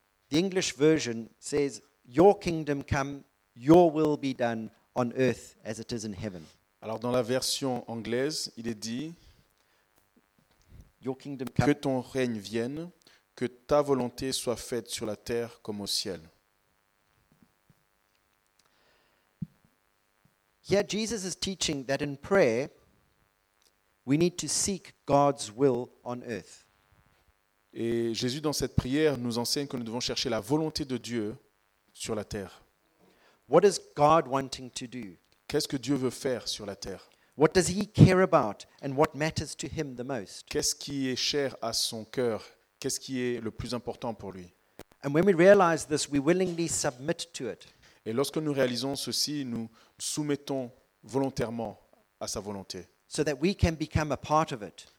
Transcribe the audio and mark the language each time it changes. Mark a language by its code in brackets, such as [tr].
[en] The English version says, "Your kingdom come, your will be done on earth as it is in heaven." [fr] Alors dans la version anglaise, il est dit, [en] "Your kingdom come." [fr] Que ton règne vienne, que ta volonté soit faite sur la terre comme au ciel. [en] Yeah, Jesus is teaching that in prayer, we need to seek God's will on earth. [fr] Et Jésus, dans cette prière, nous enseigne que nous devons chercher la volonté de Dieu sur la terre. [en] What is God wanting to do? [fr] Qu'est-ce que Dieu veut faire sur la terre? [en] What does he care about and what matters to him the most? [fr] Qu'est-ce qui est cher à son cœur? Qu'est-ce qui est le plus important pour lui? [en] And when we realize this, we willingly submit to it. [fr] Et lorsque nous réalisons ceci, nous soumettons volontairement à sa volonté. [en] So that we can become a part of it.